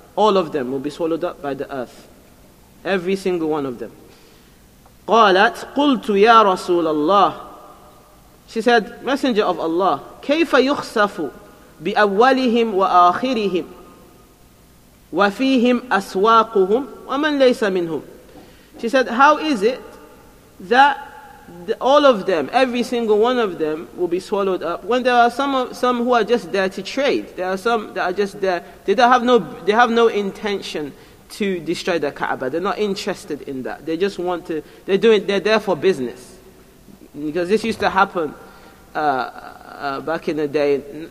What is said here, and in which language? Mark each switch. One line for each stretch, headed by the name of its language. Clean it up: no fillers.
English: All of them will be swallowed up by the earth. Every single one of them.
Arabic: قَالَتْ قُلْتُ يَا رَسُولَ اللَّهِ.
English: She said, Messenger of Allah,
Arabic: كَيْفَ يُخْسَفُ بِأَوَّلِهِمْ وَآخِرِهِمْ وَفِيهِمْ أَسْوَاقُهُمْ وَمَنْ لَيْسَ مِنْهُمْ.
English: She said, how is it that all of them, every single one of them, will be swallowed up when there are some who are just there to trade? There are some that are just there. They have no intention to destroy the Kaaba. They're not interested in that. They just want to. They're there for business, because this used to happen back in the day.